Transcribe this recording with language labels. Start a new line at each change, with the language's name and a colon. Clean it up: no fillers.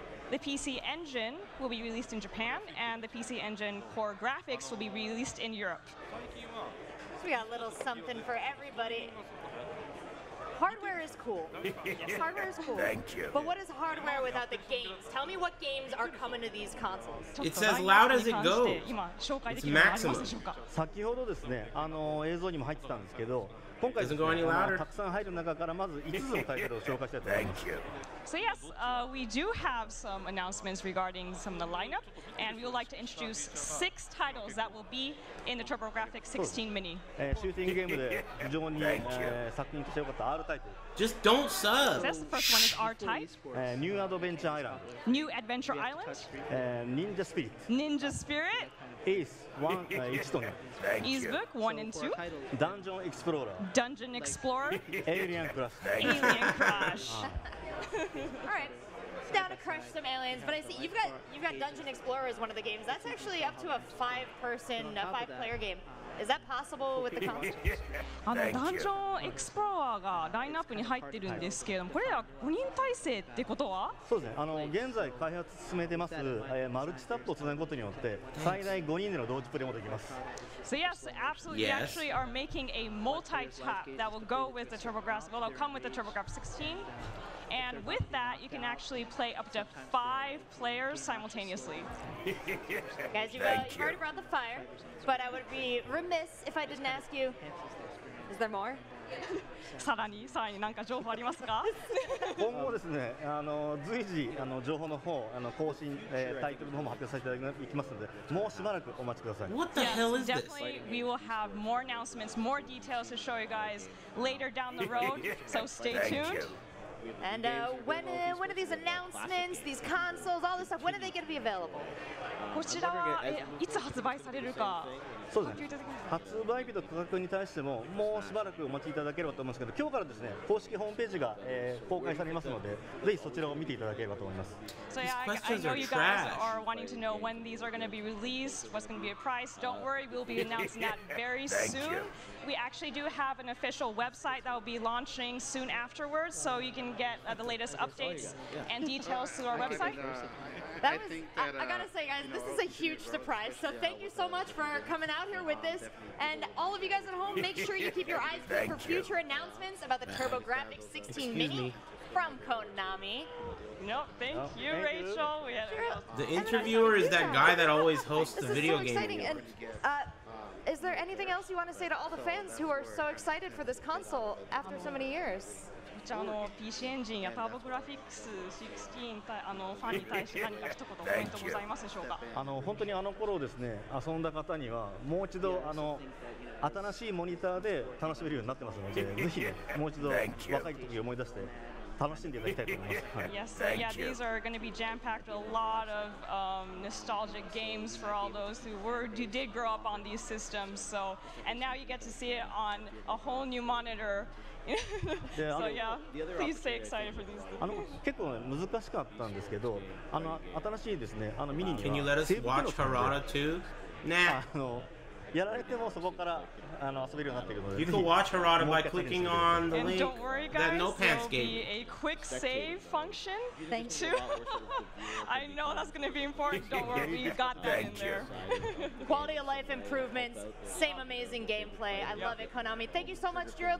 English: The PC Engine will be released in Japan, and the PC Engine Core Graphics will be released in Europe. we got a little something for everybody. Hardware is cool. Yes. Hardware is cool. Thank you. But what is hardware without the games? Tell me what games are coming to these consoles. It's as loud as it goes. It's maximum.
Japanese: 先ほどですね、映像にも入ってたんですけど、今回、たくさん入る中からまず5つのタイトルを紹介したいと思います。
English: Thank you. So yes, we do have some announcements regarding some of the lineup, and we would like to introduce 6 titles that will be in the TurboGrafx-16 mini.
Japanese: シューティングゲームで非常に作品として良かった R タイトル。
English: Just don't sub! So that's the first one is R type. New Adventure Island. New Adventure Island. Ninja Spirit. Ninja Spirit. Ace 1 1 2. Ace Book 1 and 2. Dungeon Explorer. Dungeon Explorer. Alien Crush. Alien Crush. All right. Down to crush some aliens, but I see you've got Dungeon Explorer as one of the games. That's actually up to a 5-person, a 5-player game. Is that possible with the console?
Japanese: あのダンジョンエクスプローラーがラインナップに入ってるんですけれども、これは5人体制ってことは？そうですね。あの現在開発進めてますマルチタップをつなぐことによって最大5人での同時プレイもできます。
English: So yes, absolutely. Yes. We actually are making a multi-tap that will go with the TurboGrafx. Well, come with the TurboGrafx-16. And with that, you can actually play up to 5 players simultaneously. Guys, you've already brought the fire, but I would be remiss if I didn't ask you, is there more?
Japanese: さらに、さらに何か情報ありますか？今後ですね、随時情報の方、更新、タイトルの方も発表させていただきますので、もうしばらくお待ちください。
English: What the hell is this? Definitely, we will have more announcements, more details to show you guys later down the road, so stay tuned. And when are these announcements, these consoles, all this stuff, when are they going to be available?
Japanese: こちらはいつ発売されるか。そうですね。発売日と価格に対してももうしばらくお待ちいただければと思いますけど、今日からですね、公式ホームページが公開されますので、ぜひそちらを見ていただければと思います。
English: So yeah, I know you guys are wanting to know when these are going to be released, what's going to be a price. Don't worry, we'll be announcing that very soon. We actually do have an official website that will be launching soon afterwards, so you can get the latest updates and details through our website. I gotta say, guys, this is a huge surprise. So thank you so much for coming out here with this. And all of you guys at home, make sure you keep your eyes peeled for future announcements about the TurboGrafx-16 Mini from Konami. No, thank you, Rachel. The interviewer is that guy that always hosts the video game. This is so exciting. And, is there anything else you want to say to all the fans who are so excited for this console after so many years?
Japanese: PC エンジンや TurboGrafx-16 ファンに対して何か一言コメントございますでしょうか？本当にあの頃ですね、遊んだ方にはもう一度新しいモニターで楽しめるようになってますので、ぜひ、ね、もう一度若い時を思い出して楽しんでいただきたいと思います。
English: Yes, yeah, these are going to be jam-packed with a lot of nostalgic games for all those who did grow up on these systems. So, and now you get to see it on a whole new monitor. So yeah, please stay excited for these.
Japanese: 結構、ね、難しかったんですけど、新しいですね、ミニには。
English: Can you let us watch Harada too? Nah.
Japanese: やられてもそこから遊べるようになってくるので、
English: You can watch Harada by clicking on the link. And don't worry, guys. There will be a quick save function. Thank you. I know that's going to be important. Don't worry, we got that in there. Quality of life improvements. Same amazing gameplay. I love it, Konami. Thank you so much, Jiro.